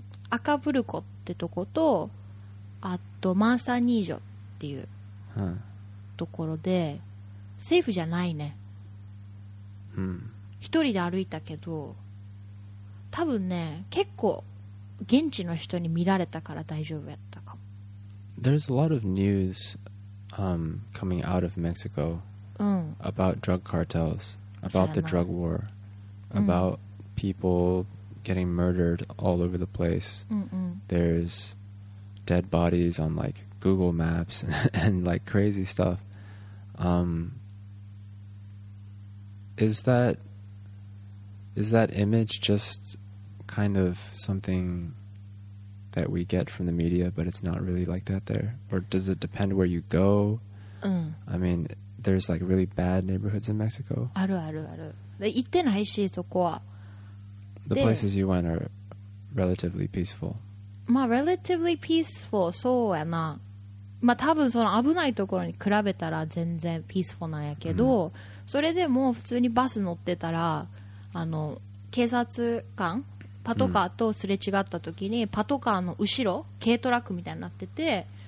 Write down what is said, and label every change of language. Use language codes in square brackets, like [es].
[ja] アカプルコってとこと、あとマンサニージョっていうところで、セーフじゃないね。一人で歩いたけど、多分ね、結構現地の人に見られたから大丈夫やったかも。 [en] There's a lot of news coming out of Mexico about drug cartels, about the drug war, about people getting murdered all over the place. There's dead bodies on like Google Maps and like crazy stuff. Is that image just kind of something that we get from the media, but it's not really like that there? Or does it depend where you go? I mean, there's like really bad neighborhoods in Mexico. [ja] あるあるある。で、行ってないし、そこは。 [en] The places you went are relatively peaceful. [ja] まあ、 [en] relatively peaceful、 [ja] そうやな。まあ、多分その危ないところに比べたら全然 peaceful なんやけど、それでも普通にバス乗ってたら、あの、警察官パトカーとすれ違った時に、パトカーの後ろ軽トラックみたいになってて、